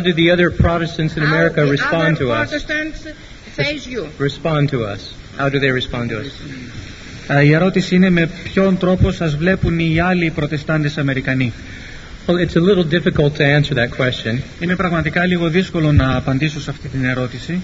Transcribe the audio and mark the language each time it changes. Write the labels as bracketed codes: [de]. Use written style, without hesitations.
[en] do the other Protestants in America respond to us? How do they respond to us? [el] Η ερώτηση είναι με ποιον τρόπο σας βλέπουν οι άλλοι Προτεστάντες Αμερικανοί. [en] Well, it's a little difficult to answer that question. [el] Είναι πραγματικά λίγο δύσκολο να απαντήσω σε αυτή την ερώτηση.